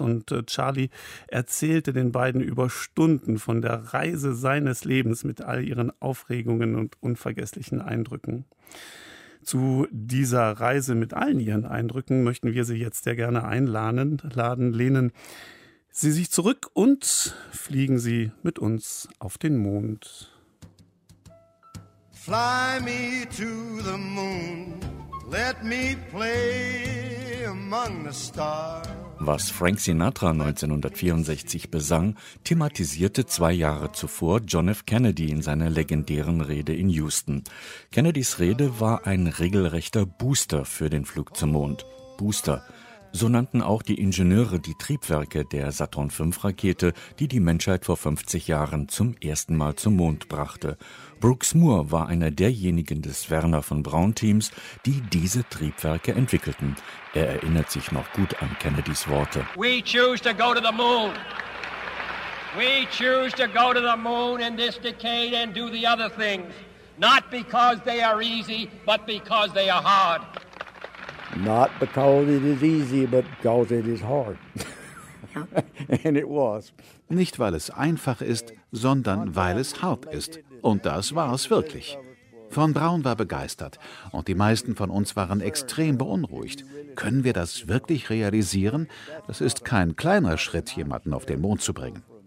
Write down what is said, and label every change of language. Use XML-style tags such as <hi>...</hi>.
<de>Und Charlie erzählte den beiden über Stunden von der Reise seines Lebens mit all ihren Aufregungen und unvergesslichen Eindrücken. Zu dieser Reise mit allen Ihren Eindrücken möchten wir Sie jetzt sehr gerne einladen. Lehnen Sie sich zurück und fliegen Sie mit uns auf den Mond.</de> <en>Fly me to the moon, let me play among the stars.</en> <de>Was Frank Sinatra 1964 besang, thematisierte 2 Jahre zuvor John F. Kennedy in seiner legendären Rede in Houston. Kennedys Rede war ein regelrechter Booster für den Flug zum Mond. Booster. So nannten auch die Ingenieure die Triebwerke der Saturn V-Rakete, die die Menschheit vor 50 Jahren zum ersten Mal zum Mond brachte. Brooks Moore war einer derjenigen des Werner von Braun-Teams, die diese Triebwerke entwickelten. Er erinnert sich noch gut an Kennedys Worte.</de> <en>We choose to go to the moon. We choose to go to the moon in this decade and do the other things. Not because they are easy, but because they are hard. Not because it is easy, but because it is hard. And it was.</en> <de>Nicht, weil es einfach ist, sondern weil es hart ist. Und das war es wirklich. Von Braun war begeistert und die meisten von uns waren extrem beunruhigt. Können wir das wirklich realisieren? Das ist kein kleiner Schritt, jemanden auf den Mond zu bringen.</de>